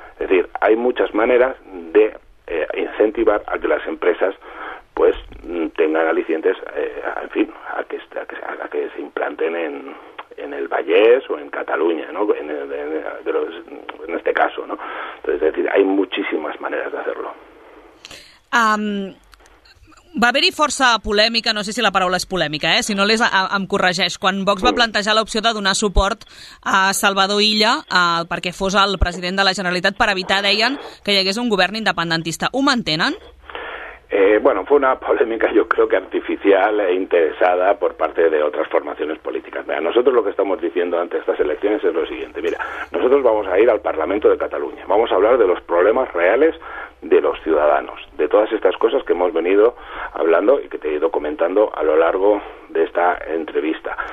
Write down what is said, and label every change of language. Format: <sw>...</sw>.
<es>Es decir, hay muchas maneras de incentivar a que las empresas pues tengan alicientes, en fin, a que se implanten en el Vallés o en Cataluña, ¿no? En este caso, ¿no? Entonces, es decir, hay muchísimas maneras de hacerlo.</es> <ca>Va haver-hi força polèmica, no sé si la paraula és polèmica, si no les em corregeix, quan Vox va plantejar l'opció de donar suport a Salvador Illa perquè fos el president de la Generalitat per evitar, deien, que hi hagués un govern independentista. Ho mantenen?</ca> <es>Bueno, fue una polémica, yo creo que artificial e interesada por parte de otras formaciones políticas. Mira, nosotros lo que estamos diciendo ante estas elecciones es lo siguiente. Mira, nosotros vamos a ir al Parlamento de Cataluña, vamos a hablar de los problemas reales de los ciudadanos, de todas estas cosas que hemos venido hablando y que te he ido comentando a lo largo de esta entrevista.</es>